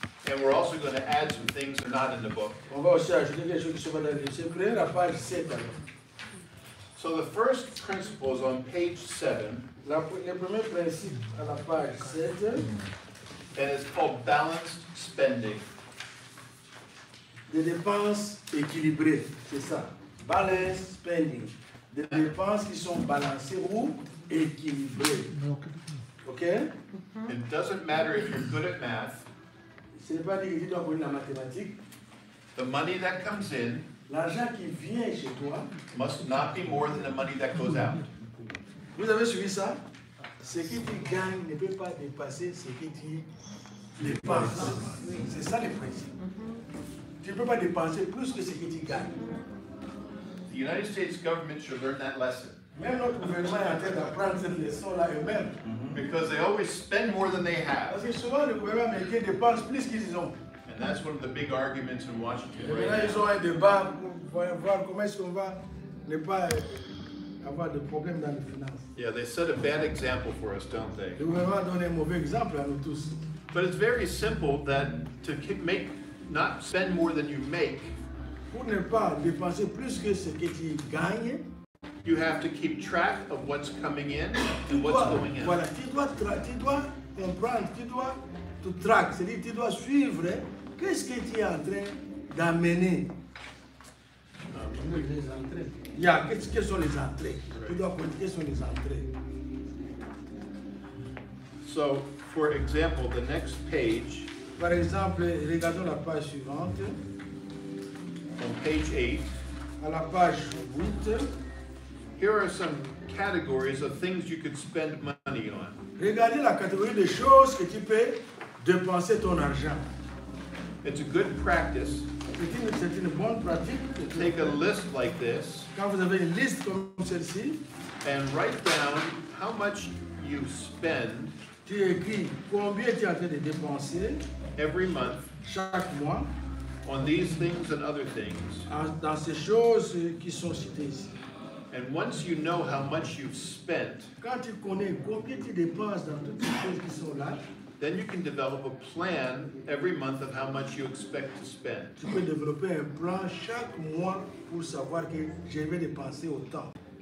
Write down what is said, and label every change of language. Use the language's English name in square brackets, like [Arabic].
[English] And we're also going to add some things that are not in the book. [French] On va aussi ajouter des choses qui sont pas dans le livre. C'est prêt à la page 7. [English] So the first principle is on page 7. [French] Le premier principe à la page 7. [English] And it's called balanced spending. [French] Des dépenses équilibrées, c'est ça. [English] Balanced spending. [French] Des dépenses qui sont balancées ou équilibrées. Okay? [English] It doesn't matter if you're good at math. [French] Ce n'est pas dit que tu dois connaître la mathématique. [English] The money that comes in, [French] l'argent qui vient chez toi, [English] must not be more than the money that goes out. [French] Vous avez suivi ça? Ce que tu gagnes ne peut pas dépasser ce que tu dépenses. C'est ça le principe. Tu ne peux pas dépenser plus que ce que tu gagnes. [English] The United States government should learn that lesson. [French] Même notre gouvernement est en train d'apprendre cette leçon-là eux-mêmes. [English] Because they always spend more than they have. [French] Parce que souvent le gouvernement américain dépense plus qu'ils ont. [English] And that's one of the big arguments in Washington. [French] Et là, ils ont un débat pour voir comment est-ce qu'on va ne pas avoir des problèmes dans les finances. [English] Yeah, they set a bad example for us, don't they? [French] Ils vont vraiment donner un mauvais exemple à nous tous. [English] But it's very simple that to make not spend more than you make. [French] Pour ne pas dépenser plus que ce que tu gagnes. [English] You have to keep track of what's coming in and what's going out. [French] Voilà, tu dois comprendre, tu dois track, c'est-à-dire tu dois suivre qu'est-ce que tu es en train d'amener. Les entrées. Yeah, qu'est-ce que sont les entrées? Right. Tu dois compter quelles sont les entrées. [English] So, for example, the next page. [French] Par exemple, regardons la page suivante. [English] On page 8. [French] À la page 8. [English] Here are some categories of things you could spend money on. [French] Regardez la catégorie des choses que tu peux dépenser ton argent. [English] It's a good practice. [French] C'est une bonne pratique. [English] To take a list like this. [French] Quand vous avez une liste comme celle-ci. [English] And write down how much you spend. [French] Tu écris combien tu es en train de dépenser. [English] Every month. [French] Chaque mois. [English] On these things and other things. [French] Dans ces choses qui sont citées ici. [English] And once you know how much you've spent, [French] quand tu connais combien tu dépenses dans toutes les choses qui sont là, [English] then you can develop a plan every month of how much you expect to spend. [French] Tu peux développer un plan chaque mois pour savoir que je vais dépenser autant.